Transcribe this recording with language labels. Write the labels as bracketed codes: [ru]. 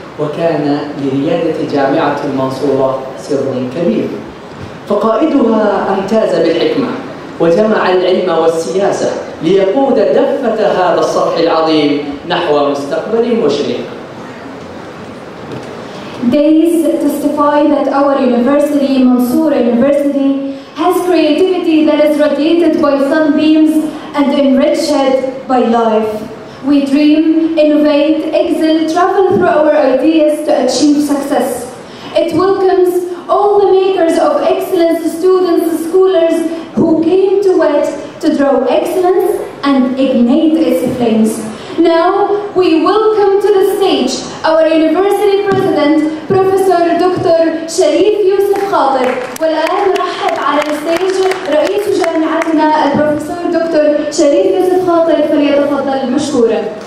[ar] وكان لريادة جامعة المنصورة سر كبير، فقائدها امتاز بالحكمة وجمع العلم والسياسة ليقود دفة هذا الصرح العظيم نحو مستقبل مشرق. [en] Days testify that our university, Mansoor University, has creativity that is radiated by sunbeams and enriched by life. We dream, innovate, excel, travel through our ideas to achieve success. It welcomes all the makers of excellence, students, scholars who came to it to draw excellence and ignite its flames. Now, we welcome to the stage our university president, Professor Dr. Sharif Yusuf Khatir. [ar] والآن نرحب على الستيج رئيس جامعتنا البروفيسور دكتور شريف يوسف خاطر، فليتفضل مشكورا.